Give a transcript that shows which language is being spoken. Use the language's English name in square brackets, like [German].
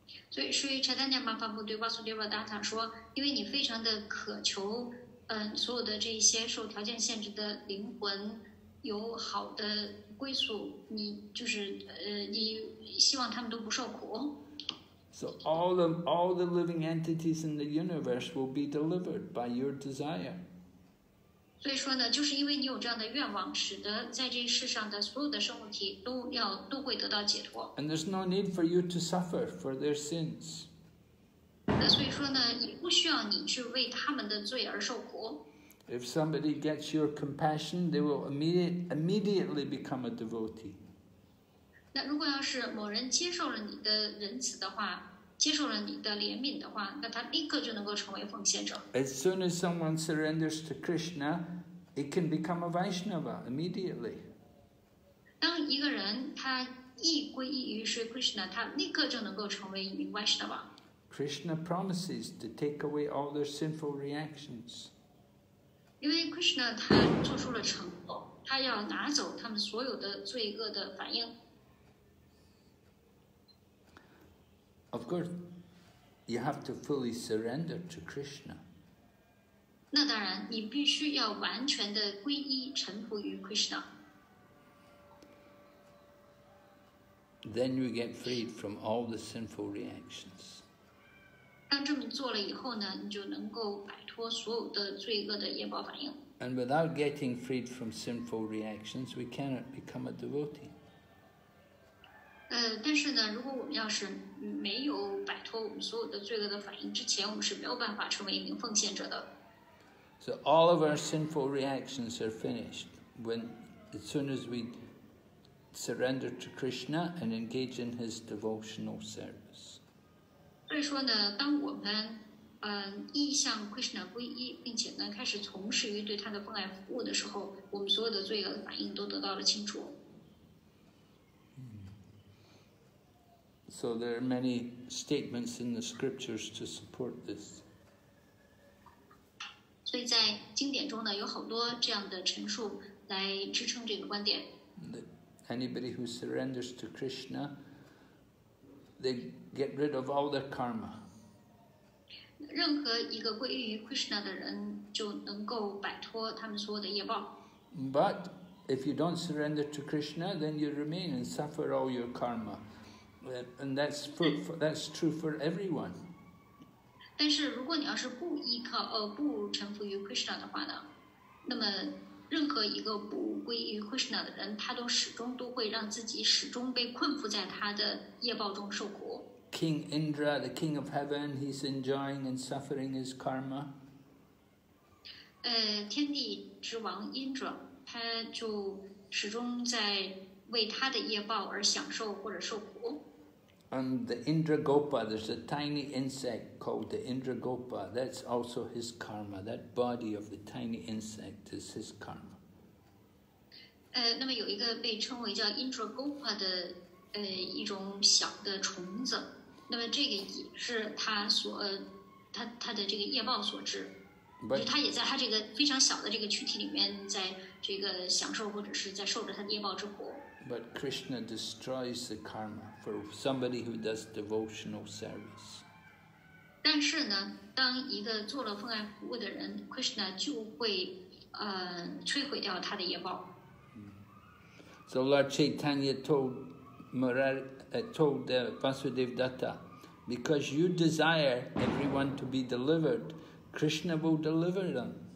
[Chinese] 所以 Sri Chaitanya Mahaprabhu 对 Vasudeva Datta 说，因为你非常的渴求，所有的这些受条件限制的灵魂有好的归宿，你就是你希望他们都不受苦。 [English] So all the living entities in the universe will be delivered by your desire. [Chinese] 所以说呢，就是因为你有这样的愿望，使得在这世上的所有的生物体都会得到解脱。 [English] And there's no need for you to suffer for their sins. [Chinese] 那所以说呢，也不需要你去为他们的罪而受苦。 [English] If somebody gets your compassion, they will immediately become a devotee. [Chinese] 那如果要是某人接受了你的仁慈的话，接受了你的怜悯的话，那他立刻就能够成为奉献者。 [English] As soon as someone surrenders to Krishna, it can become a Vaishnava immediately. [Chinese] 当一个人他一皈依于 Sri Krishna, 他立刻就能够成为一名 Vaishnava. [English] Krishna promises to take away all their sinful reactions. [Chinese] 因为 Krishna 他做出了承诺，他要拿走他们所有的罪恶的反应。 [English] Of course, you have to fully surrender to Krishna. [Chinese] 那当然，你必须要完全的皈依臣服于 Krishna。 [English] Then you get freed from all the sinful reactions. [Chinese] 当这么做了以后呢，你就能够摆脱所有的罪恶的业报反应。 [English] And without getting freed from sinful reactions, we cannot become a devotee. [Chinese] 但是呢，如果我们要是没有摆脱我们所有的罪恶的反应之前，我们是没有办法成为一名奉献者的。 [English] So all of our sinful reactions are finished when, as soon as we surrender to Krishna and engage in His devotional service. [Chinese] 所以说呢，当我们意向 Krishna 皈依，并且呢开始从事于对他的关爱服务的时候，我们所有的罪恶的反应都得到了清除。 [English] So there are many statements in the scriptures to support this. [Chinese] 所以在经典中呢，有好多这样的陈述来支撑这个观点。 [English] Anybody who surrenders to Krishna, they get rid of all their karma. [Chinese] 任何一个皈依于 Krishna 的人就能够摆脱他们所有的业报。 [English] But if you don't surrender to Krishna, then you remain and suffer all your karma. And that's true for everyone. [Chinese] 但是如果你要是不依靠不臣服于 Krishna 的话呢，那么任何一个不归于 Krishna 的人，他都始终都会让自己始终被困缚在他的业报中受苦。 [English] King Indra, the king of heaven, he's enjoying and suffering his karma. [Chinese] 天地之王 Indra, 他就始终在为他的业报而享受或者受苦。 [English] And the Indra Gopa, there's a tiny insect called the Indra Gopa. That's also his karma. That body of the tiny insect is his karma. [Chinese] 那么有一个被称为叫 Indra Gopa 的一种小的虫子，那么这个也是他所他的这个业报所致，就是他也在他这个非常小的这个躯体里面，在这个享受或者是在受着他的业报之苦。 [English] But Krishna destroys the karma for somebody who does devotional service. [Chinese] 但是呢，当一个做了奉爱服务的人 ，Krishna 就会摧毁掉他的业报。 [English] So Lord Chaitanya told Vasudev Datta, because you desire everyone to be delivered, Krishna will deliver them.